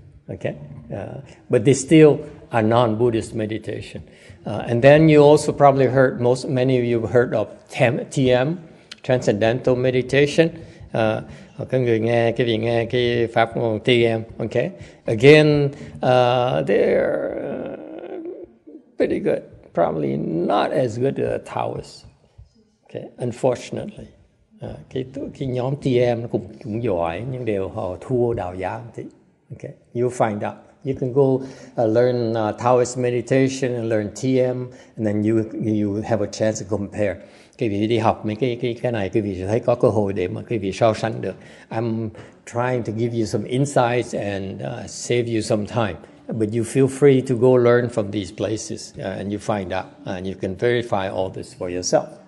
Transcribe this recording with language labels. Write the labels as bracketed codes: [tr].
[en] Okay, but they still are non-Buddhist meditation. And then you also probably heard, many of you have heard of TM, Transcendental Meditation. [vi] Có người nghe, cái vị nghe cái pháp môn TM, okay? [en] Again, they're pretty good. Probably not as good as Taoists, okay? Unfortunately. [vi] Cái nhóm TM nó cũng giỏi, nhưng đều họ thua đạo giáo thì. [en] Okay, you'll find out. You can go learn Taoist meditation and learn TM, and then you have a chance to compare. [vi] Quý vị đi học mấy cái này, quý vị sẽ thấy có cơ hội để mà quý vị so sánh được. [en] I'm trying to give you some insights and save you some time. But you feel free to go learn from these places, and you find out. And you can verify all this for yourself.